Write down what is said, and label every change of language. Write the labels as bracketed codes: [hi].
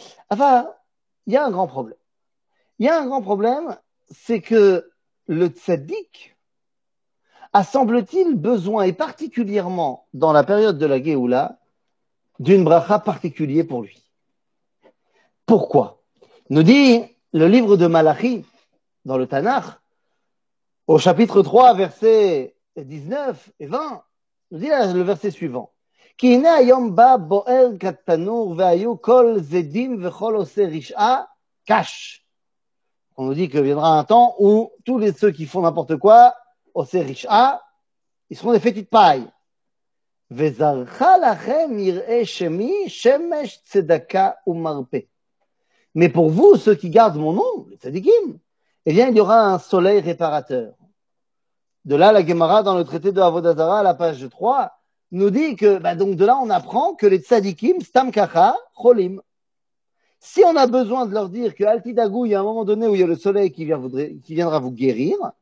[fr] Enfin, il y a un grand problème. Il y a un grand problème, c'est que le tzaddik a, semble-t-il, besoin, et particulièrement dans la période de la Géoula, d'une bracha particulière pour lui. Pourquoi? Nous dit le livre de Malachi, dans le Tanakh, au chapitre 3, versets 19 et 20, nous dit le verset suivant. [he] כי הנה היום בא בוער כתנור והיו כל זדים וכל עושה רשעה קש. [fr] On nous dit que viendra un temps où tous les ceux qui font n'importe quoi, [he] עושה רשעה, [fr] ils seront des petites pailles. [he] וזרחה לכם יראה שמי שמש צדקה ומרפא. [fr] Mais pour vous, ceux qui gardent mon nom, les tzadikim, eh bien, il y aura un soleil réparateur. De là, la Gemara, dans le traité de Avodah Zara, à la page 3, nous dit que, bah donc de là, on apprend que les tzadikim, [he] stam kacha, cholim. [fr] Si on a besoin de leur dire que, altidagou, il y a un moment donné où il y a le soleil qui viendra vous guérir,